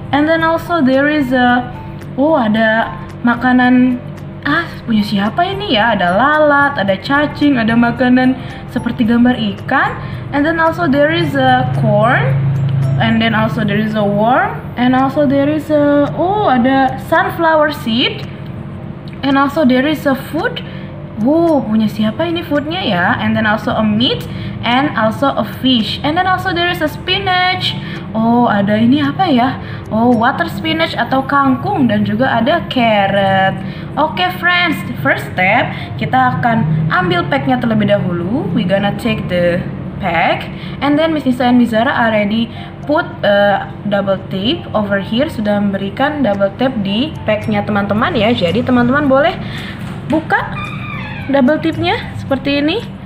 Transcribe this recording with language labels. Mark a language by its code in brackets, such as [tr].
[en] And then also there is a [id] ada makanan punya siapa ini ya? Ada lalat, ada cacing, ada makanan seperti gambar ikan. [en] And then also there is a corn. And then also there is a worm, and also there is a ada sunflower seed, and also there is a food. [id] Punya siapa ini foodnya ya? [en] And then also a meat, and also a fish, and then also there is a spinach. [id] Ada ini apa ya? [en] Water spinach [id] atau kangkung, dan juga ada carrot. [en] Okay friends, the first step [id] kita akan ambil packnya terlebih dahulu. [en] We gonna take the pack, and then Miss Nisa and Miss Zara already put double tape over here. [id] Sudah memberikan double tape di packnya teman-teman ya. Jadi teman-teman boleh buka double tape-nya seperti ini.